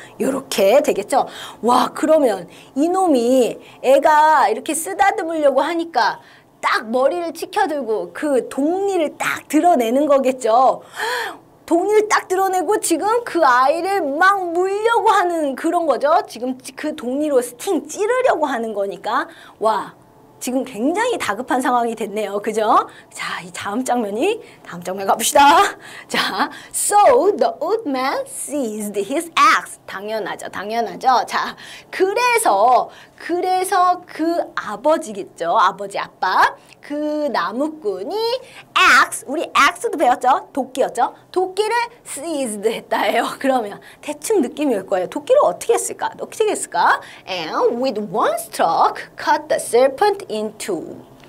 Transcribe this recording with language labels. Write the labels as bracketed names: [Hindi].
[Korean] 요렇게 되겠죠? 와, 그러면 이놈이 애가 이렇게 쓰다듬으려고 하니까 딱 머리를 치켜들고 그 독니를 딱 드러내는 거겠죠? 독니를 딱 드러내고 지금 그 아이를 막 물려고 하는 그런 거죠. 지금 그 독니로 스팅 찌르려고 하는 거니까. 와, 지금 굉장히 다급한 상황이 됐네요. 그죠? 자, 이 다음 장면 갑시다. [English] 자, so the old man seized his axe. [Korean] 당연하죠, 당연하죠. 자, 그래서 그 아버지겠죠. 아버지, 아빠. 그 나무꾼이 axe, 우리 axe도 배웠죠? 도끼였죠? 도끼를 seized 했다 해요. 그러면 대충 느낌이 올 거예요. 도끼를 어떻게 했을까? 어떻게 했을까? [English] And with one stroke, cut the serpent in two.